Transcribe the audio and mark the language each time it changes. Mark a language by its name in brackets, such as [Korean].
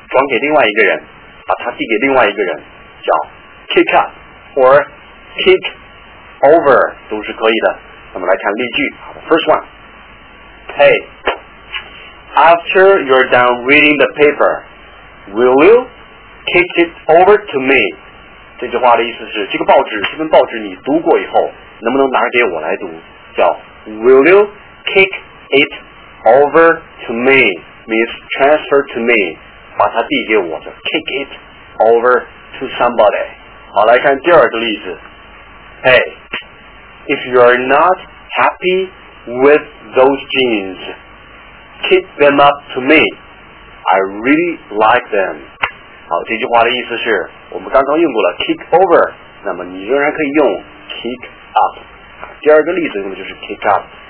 [Chinese] 它的意思是表示把它转给另外一个人，把它递给另外一个人，叫 kick up or kick over 都是可以的。那么来看例句，first one. [English] Hey, after you're done reading the paper, will you kick it over to me? [Chinese] 这句话的意思是这个报纸，这份报纸你读过以后，能不能拿给我来读？叫 [English] will you kick it over to me means transfer to me. [Chinese] 把它递给我, [English] kick it over to somebody. [Chinese] 好,来看第二个例子。 [English] Hey, if you are not happy with those jeans, kick them up to me. I really like them. [Chinese] 好,这句话的意思是, 我们刚刚用过了 kick over, 那么你仍然可以用 kick up. 第二个例子用的就是 kick up。